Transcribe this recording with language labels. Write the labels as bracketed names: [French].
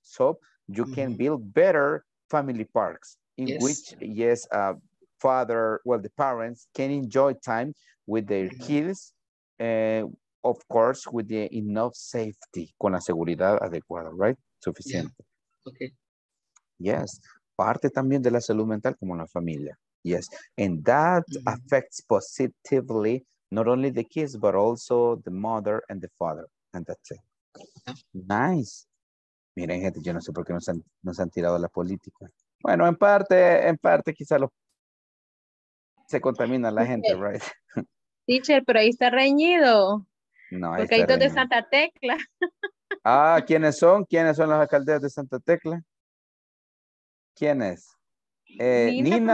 [English] So you can build better family parks in the parents can enjoy time with their kids, of course, with the enough safety, [Spanish] con la seguridad adecuada, [English] right? [Spanish] Suficiente. [English] Yeah. Okay. [Spanish] Yes. Parte también de la salud mental como la familia. [English] Yes, and that mm-hmm. affects positively not only the kids, but also the mother and the father, and that's it. Nice. [Spanish] Miren, gente, yo no sé por qué nos han tirado la política. Bueno, en parte quizá se contamina la gente, right? Teacher, pero ahí está reñido. No, ahí está reñido. De Santa Tecla. Ah, ¿quiénes son? ¿Quiénes son las alcaldías de Santa Tecla? ¿Quiénes? Nina.